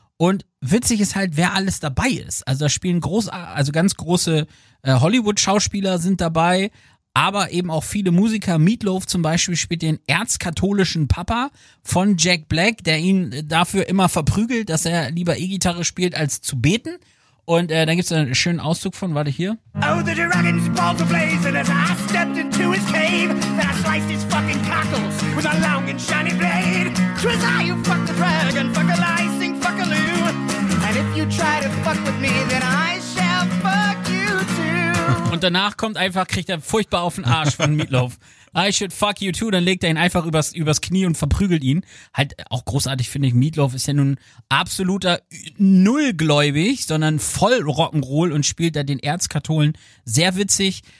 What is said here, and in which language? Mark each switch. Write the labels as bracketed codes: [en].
[de] Und witzig ist halt, wer alles dabei ist. Also da spielen ganz große Hollywood-Schauspieler sind dabei, aber eben auch viele Musiker. Meatloaf zum Beispiel spielt den erzkatholischen Papa von Jack Black, der ihn dafür immer verprügelt, dass er lieber E-Gitarre spielt, als zu beten. Und da gibt es einen schönen Auszug von, warte hier. [en] Oh, the dragon's balls ablaze, and as I stepped into his cave, then I sliced his fucking cockles with a long and shiny blade. 'Twas I who fucked the dragon, fuck a licing, fuck a loo. And if you try to fuck with me, then I shall fuck you too. [de] Und danach kriegt er furchtbar auf den Arsch von Meatloaf. [en] I should fuck you too, [de] dann legt er ihn einfach übers Knie und verprügelt ihn. Halt auch großartig, finde ich, Meatloaf ist ja nun absoluter Nullgläubig, sondern voll Rock'n'Roll und spielt da den Erzkatholen. Sehr witzig.